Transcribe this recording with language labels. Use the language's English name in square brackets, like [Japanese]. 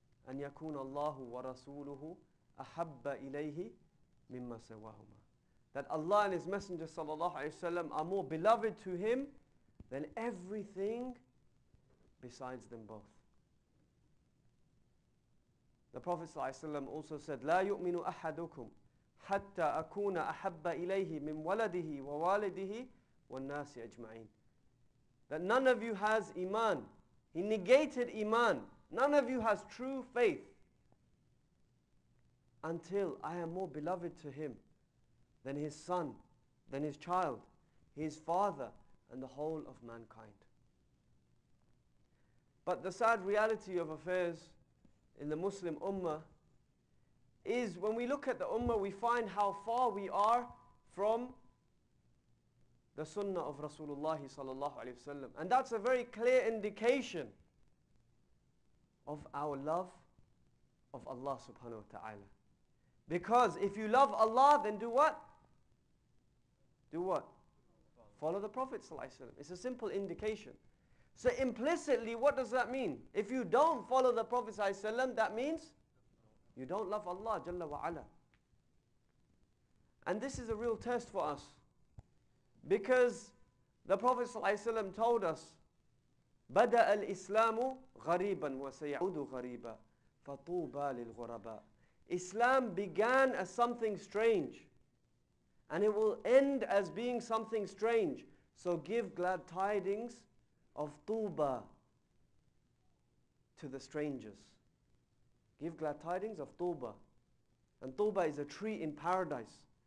[Arabic] أَنْ يَكُونَ اللَّهُ وَرَسُولُهُ أَحَبَّ إِلَيْهِ مِمَّا سَوَاهُمَا. [English] That Allah and His Messenger sallallahu alayhi wa sallam are more beloved to Him than everything besides them both. The Prophet ﷺ also said, [Arabic] لا يؤمن أحدكم حتى أكون أحب إليه من ولده ووالده والناس أجمعين. [English] That none of you has Iman. He negated Iman. None of you has true faith until I am more beloved to him than his son, than his child, his father, and the whole of mankind. But the sad reality of affairs in the Muslim Ummah is when we look at the Ummah, we find how far we are from the Sunnah of Rasulullah sallallahu alayhi wasallam. And that's a very clear indication of our love of Allah subhanahu wa ta'ala. Because if you love Allah, then do what? Do what? Follow the Prophet sallallahu alayhi wasallam. It's a simple indication. So implicitly, what does that mean? If you don't follow the Prophet ﷺ, that means you don't love Allah, Jalla wa Ala. And this is a real test for us. Because the Prophet ﷺ told us, [Arabic] بَدَأَ الْإِسْلَامُ غَرِيبًا وَسَيَعُودُ غَرِيبًا فَطُوبَى لِلْغُرَبَى. [English] Islam began as something strange, and it will end as being something strange. So give glad tidings of طُوبَى to the strangers. Give glad tidings of طُوبَى. And طُوبَى is a tree in paradise.